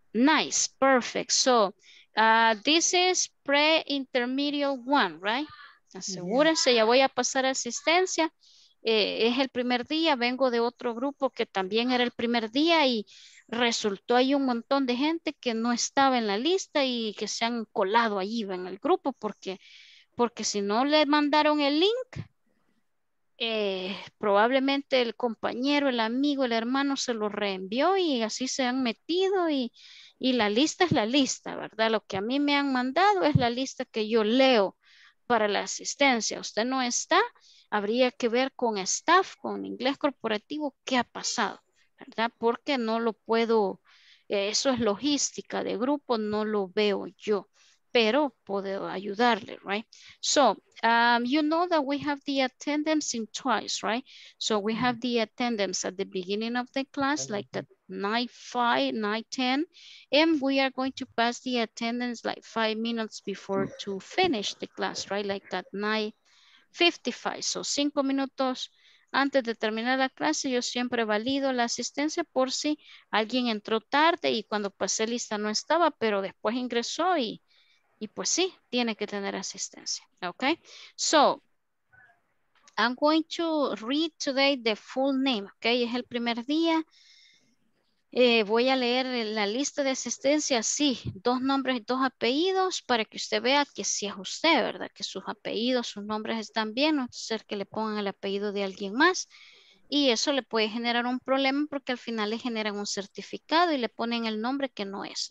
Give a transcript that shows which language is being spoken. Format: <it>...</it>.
<en>Nice, perfect, so this is pre-intermediate one, right?</en> <es>Asegúrense, ya voy a pasar asistencia, es el primer día, vengo de otro grupo que también era el primer día y resultó ahí un montón de gente que no estaba en la lista y que se han colado ahí en el grupo porque si no le mandaron el link, probablemente el compañero, el amigo, el hermano se lo reenvió y así se han metido y la lista es la lista, ¿verdad? Lo que a mí me han mandado es la lista que yo leo para la asistencia. Usted no está, habría que ver con staff, con Inglés Corporativo, qué ha pasado, ¿verdad? Porque no lo puedo, eso es logística de grupo, no lo veo yo, pero puedo ayudarle, right?</es> <en>So, you know that we have the attendance in twice, right? So we have the attendance at the beginning of the class, like at 9:05, 9:10, and we are going to pass the attendance like 5 minutes before to finish the class, right? Like at 9:55.</en> <es>So 5 minutos antes de terminar la clase, yo siempre valido la asistencia por si alguien entró tarde y cuando pasé lista no estaba, pero después ingresó y pues sí, tiene que tener asistencia.</es> <en>Okay, so I'm going to read today the full name.</en> <es>Okay, es el primer día. Voy a leer la lista de asistencia, sí, dos nombres y dos apellidos para que usted vea que sí es usted, ¿verdad? Que sus apellidos, sus nombres están bien, no ser que le pongan el apellido de alguien más. Y eso le puede generar un problema porque al final le generan un certificado y le ponen el nombre que no es.</es>